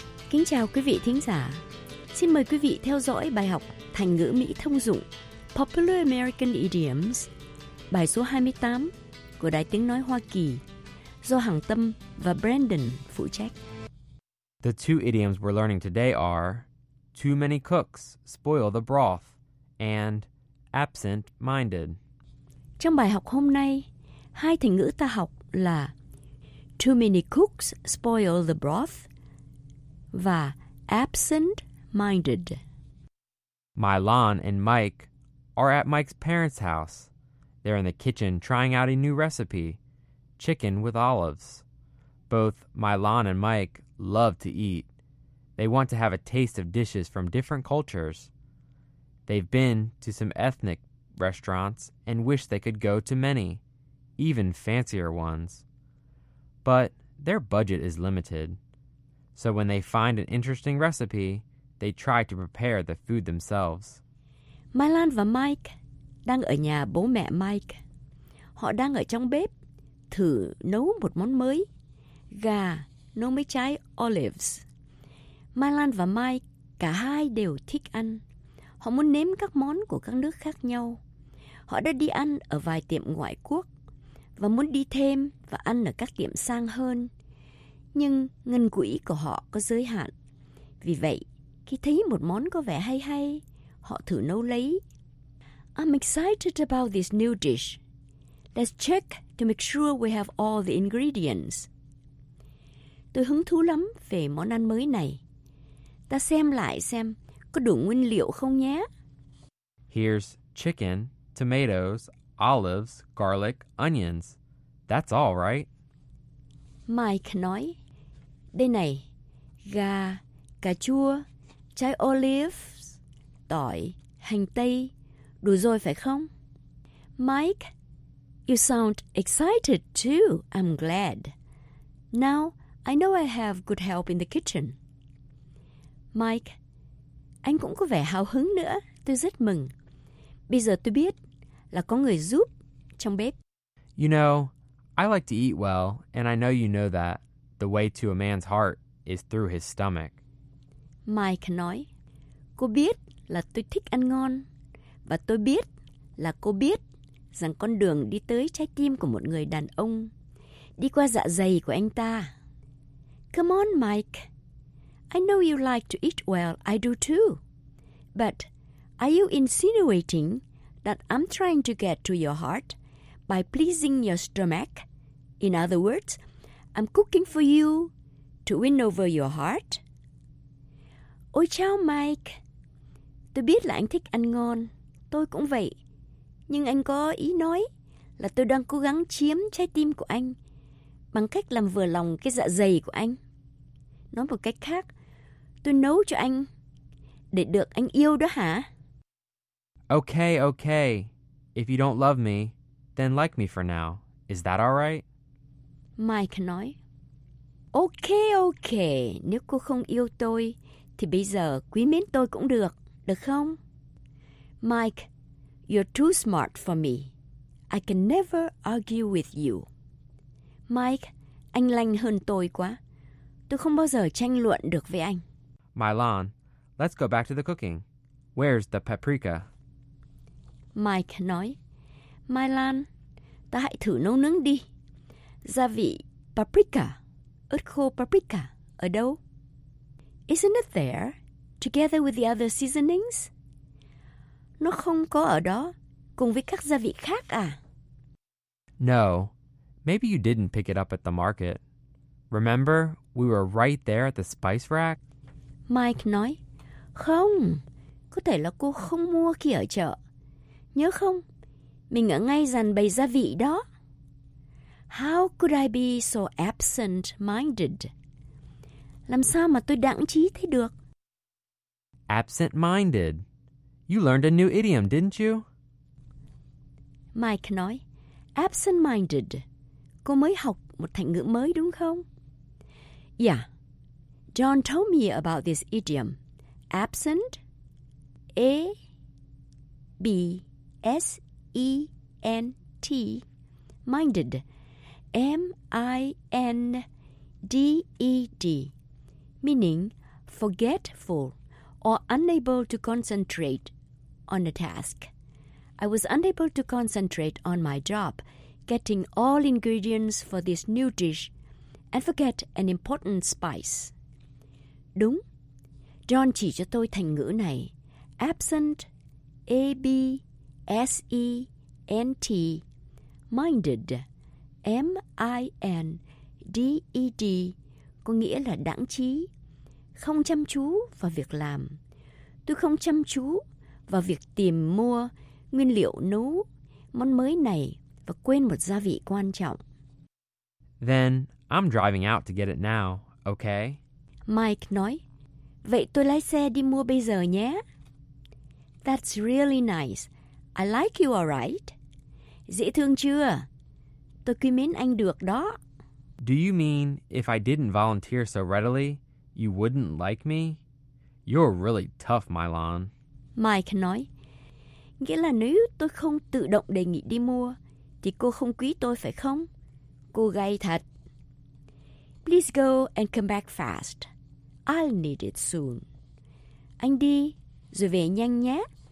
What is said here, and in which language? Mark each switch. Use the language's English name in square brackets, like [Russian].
[Vietnamese] Kính chào quý vị thính giả. Xin mời quý vị theo dõi bài học thành ngữ Mỹ thông dụng [English] Popular American Idioms, [Vietnamese] bài số 28 của Đài Tiếng Nói Hoa Kỳ, do Hằng Tâm và Brandon phụ trách. [English] The two idioms we're learning today are too many cooks spoil the broth and absent-minded. [Vietnamese] Trong bài học hôm nay, hai thành ngữ ta học là [English] too many cooks spoil the broth [Vietnamese] và absent-minded. [English] Milan and Mike are at Mike's parents' house. They're in the kitchen trying out a new recipe, chicken with olives. Both Milan and Mike love to eat. They want to have a taste of dishes from different cultures. They've been to some ethnic restaurants and wish they could go to many, even fancier ones. But their budget is limited. So when they find an interesting recipe, they try to prepare the food themselves. [Vietnamese] Milan và Mike đang ở nhà bố mẹ Mike. Họ đang ở trong bếp thử nấu một món mới, gà nấu mấy trái olives. Milan và Mike cả hai đều thích ăn. Họ muốn nếm các món của các nước khác nhau. Họ đã đi ăn ở vài tiệm ngoại quốc và muốn đi thêm và ăn ở các tiệm sang hơn. Nhưng ngân quỹ của họ có giới hạn. Vì vậy, Khi thấy một món có vẻ hay hay, họ thử nấu lấy. [English] I'm excited about this new dish. Let's check to make sure we have all the ingredients. [Vietnamese] Tôi hứng thú lắm về món ăn mới này. Ta xem lại xem có đủ nguyên liệu không nhé. [English] Here's chicken, tomatoes, olives, garlic, onions. That's all, right? [Vietnamese] Mike nói, đây này, gà, cà chua, trái olives, tỏi, hành tây, đủ rồi phải không? [English] Mike, you sound excited too, I'm glad. Now, I know I have good help in the kitchen. [Vietnamese] Mike, anh cũng có vẻ hào hứng nữa, tôi rất mừng. Bây giờ tôi biết là có người giúp trong bếp. [English] You know, I like to eat well, and I know you know that. The way to a man's heart is through his stomach. [Vietnamese] Mike nói, cô biết là tôi thích ăn ngon, và tôi biết là cô biết rằng con đường đi tới trái tim của một người đàn ông đi qua dạ dày của anh ta. [English] Come on, Mike. I know you like to eat well, I do too. But are you insinuating that I'm trying to get to your heart by pleasing your stomach? In other words, I'm cooking for you to win over your heart. [Vietnamese] Ôi chào Mike, tôi biết là anh thích ăn ngon, tôi cũng vậy. Nhưng anh có ý nói là tôi đang cố gắng chiếm trái tim của anh bằng cách làm vừa lòng cái dạ dày của anh. Nói một cách khác, tôi nấu cho anh để được anh yêu đó hả? [English] Okay, okay. If you don't love me, then like me for now. Is that all right? [Vietnamese] Mike nói, okay, okay. Nếu cô không yêu tôi, thì bây giờ quý mến tôi cũng được, được không? [English] Mike, you're too smart for me. I can never argue with you. [Vietnamese] Mike, anh lanh hơn tôi quá. Tôi không bao giờ tranh luận được với anh. [English] Mylon, let's go back to the cooking. Where's the paprika? [Vietnamese] Mike nói, Mylon, ta hãy thử nấu nướng đi. Gia vị paprika, ớt khô paprika, ở đâu? [English] Isn't it there, together with the other seasonings? [Vietnamese] Nó không có ở đó, cùng với các gia vị khác à? [English] No, maybe you didn't pick it up at the market. Remember, we were right there at the spice rack? [Vietnamese] Mike nói, không, có thể là cô không mua khi ở chợ. Nhớ không, mình ở ngay dàn bày gia vị đó. [English] How could I be so absent-minded? [Vietnamese] Làm sao mà tôi đãng trí thế được? [English] Absent-minded. You learned a new idiom, didn't you? [Vietnamese] Mike nói, absent-minded. Cô mới học một thành ngữ mới đúng không? [English] Yeah. John told me about this idiom. Absent. A. B. S. E. N. T. Minded. M-I-N-D-E-D, meaning forgetful or unable to concentrate on a task. I was unable to concentrate on my job, getting all ingredients for this new dish, and forget an important spice. [Vietnamese] Đúng, John chỉ cho tôi thành ngữ này. Absent, A-B-S-E-N-T, minded. M-I-N-D-E-D có nghĩa là đãng trí, không chăm chú vào việc làm. Tôi không chăm chú vào việc tìm mua nguyên liệu nấu món mới này và quên một gia vị quan trọng. [English] Then I'm driving out to get it now, okay? [Vietnamese] Mike nói, vậy tôi lái xe đi mua bây giờ nhé. [English] That's really nice. I like you, all right? [Vietnamese] Dễ thương chưa? Tôi quý mến anh được đó. [English] Do you mean if I didn't volunteer so readily, you wouldn't like me? You're really tough, Mylon. [Vietnamese] Mike nói, nghĩa là nếu tôi không tự động đề nghị đi mua, thì cô không quý tôi phải không? Cô gay thật. [English] Please go and come back fast. I'll need it soon. [Vietnamese] Anh đi, rồi về nhanh nhé.